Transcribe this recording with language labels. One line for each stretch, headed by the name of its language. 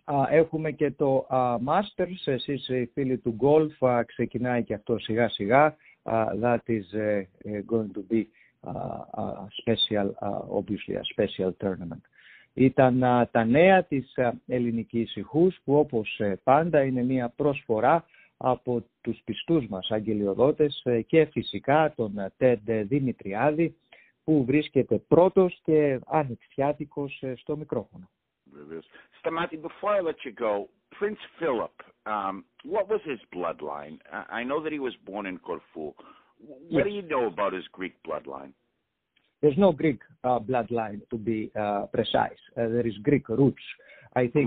Greek: Έχουμε και το Masters, εσείς οι φίλοι του Golf, ξεκινάει και αυτό σιγά σιγά.
English: That is going to be a special tournament.
Greek: Ήταν τα νέα της ελληνικής ηχούς που όπως πάντα είναι μια προσφορά από τους πιστούς μας αγγελιοδότες και φυσικά τον Τεντ Δημητριάδη που βρίσκεται πρώτος και ανοιξιάτικος στο μικρόφωνο. Βεβαίως.
English: Stamati, before I let you go, Prince Philip, what was his bloodline? I know that he was born in Corfu. What do you know about his Greek bloodline? There's no Greek bloodline, to be precise. There is Greek roots. I think